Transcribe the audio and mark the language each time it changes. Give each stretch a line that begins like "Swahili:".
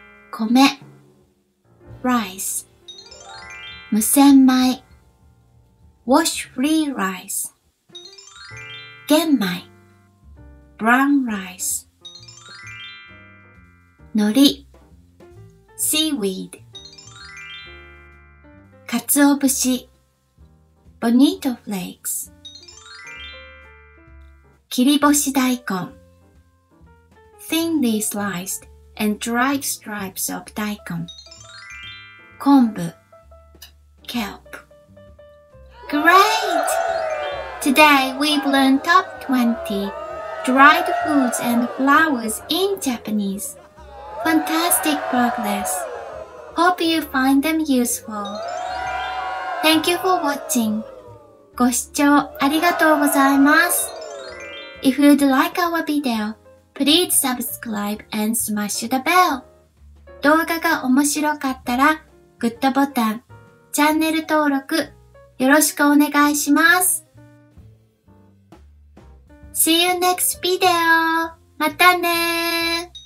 English: 米、 rice、 無洗米、 wash free rice、 玄米、 brown rice、 海苔、 seaweed、かつお節、 bonito flakes、切り干し大根、 thinly sliced and dried stripes of 大根、昆布、 kelp。 Great! Today we've learned top 20 dried foods and flowers in Japanese. Fantastic progress! Hope you find them usefulThank you for watching.
Japanese: ご視聴ありがとうございます。
English: If you'd like our video, please subscribe and smash the bell.
Japanese: 動画が面白かったら、グッドボタン、チャンネル登録、よろしくお願いします。
English: See you next video!
Japanese: またねー!